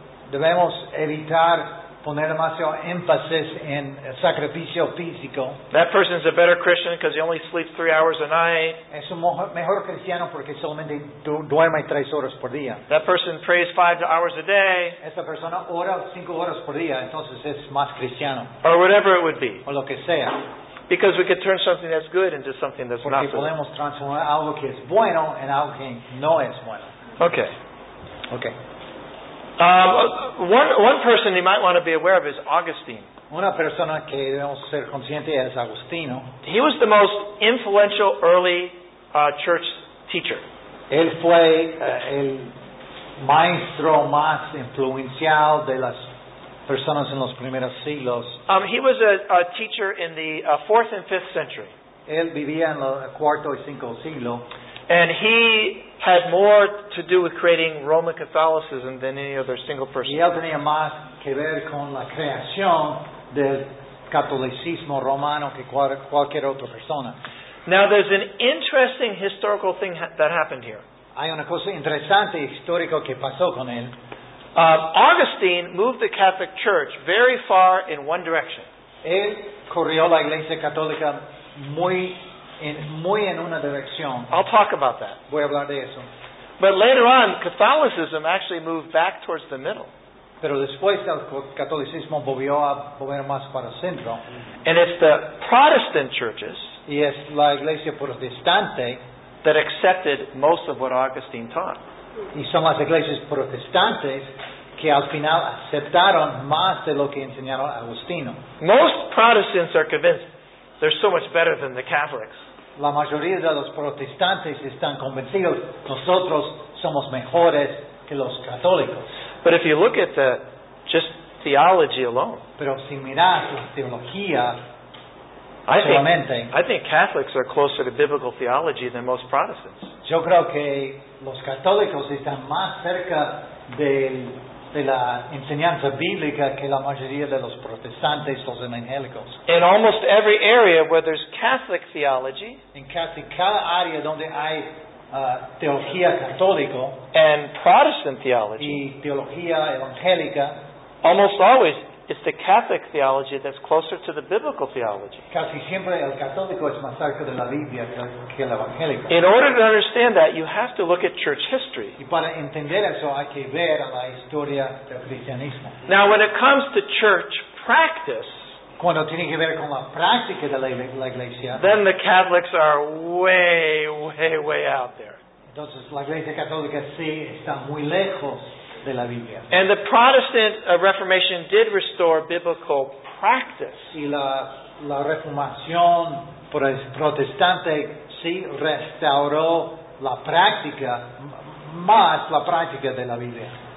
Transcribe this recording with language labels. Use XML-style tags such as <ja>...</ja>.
<es>Debemos evitar poner demasiado énfasis en el sacrificio físico.</es> <en>That person is a better Christian because he only sleeps 3 hours a night.</en> <es>Es un mejor cristiano porque solamente duerme 3 horas por día.</es> <en>That person prays 5 hours a day.</en> <es>Esa persona ora 5 horas por día, entonces es más cristiano.</es> <en>Or whatever it would be.</en> <es>O lo que sea.</es> <en>Because we could turn something that's good into something that's</en> <es>porque</es> <en>not.</en> <es>Porque podemos transformar algo que es bueno en algo que no es bueno.</es> <en>Okay. Okay. One person you might want to be aware of is Augustine.</en> <es>Una persona que debemos ser consciente es Agustino.</es> <en>He was the most influential early church teacher.</en> <es>Él fue el maestro más influencial de las personas en los primeros siglos.</es> <en>He was a teacher in the 4th and 5th century.</en> <es>Él vivía en el cuarto y cinco siglo.</es> <en>And he had more to do with creating Roman Catholicism than any other single person.</en> <es>Y él tenía más que ver con la creación del catolicismo romano que cualquier otra persona.</es> <en>Now, there's an interesting historical thing that happened here.</en> <es>Hay una cosa interesante histórico que pasó con él.</es> <en>Augustine moved the Catholic Church very far in one direction.</en> <es>Él corrió la Iglesia Católica muy en una dirección.</es> <en>I'll talk about that.</en> <es>Voy a hablar de eso.</es> <en>But later on, Catholicism actually moved back towards the middle.</en> <es>Pero después el catolicismo volvió a mover más para el centro.</es> <en>And it's the Protestant churches.</en> <es>Y es la iglesia protestante</es> <en>that accepted most of what Augustine taught.</en> <es>Y son las iglesias protestantes que al final aceptaron más de lo que enseñaron Agustino.</es> <en>Most Protestants are convinced they're so much better than the Catholics.</en> <es>La mayoría de los protestantes están convencidos nosotros somos mejores que los católicos.</es> <en>But if you look at the just theology alone,</en> <es>pero si miras la teología,</es> <en>I think Catholics are closer to biblical theology than most Protestants.</en> <es>Yo creo que los católicos están más cerca de la enseñanza bíblica que la mayoría de los protestantes, los evangélicos.</es> <en>In almost every area where there's Catholic theology,</en> <es>en casi cada área donde hay teología católica</es> <en>and Protestant theology,</en> <es>y teología evangélica,</es> <en>almost always it's the Catholic theology that's closer to the biblical theology.</en> <es>Casi siempre el católico es más cerca de la Biblia que el evangélico.</es> <en>In order to understand that, you have to look at church history.</en> <es>Y para entender eso hay que ver la historia del cristianismo.</es> <en>Now, when it comes to church practice,</en> <es>cuando tiene que ver con la práctica de la iglesia,</es> <en>then the Catholics are way, way, way out there.</en> <es>Entonces, la iglesia católica sí está muy lejos.</es> <en>And the Protestant Reformation did restore biblical practice.</en> <es>Y la Reformación protestante sí restauró la práctica de la Biblia.</es>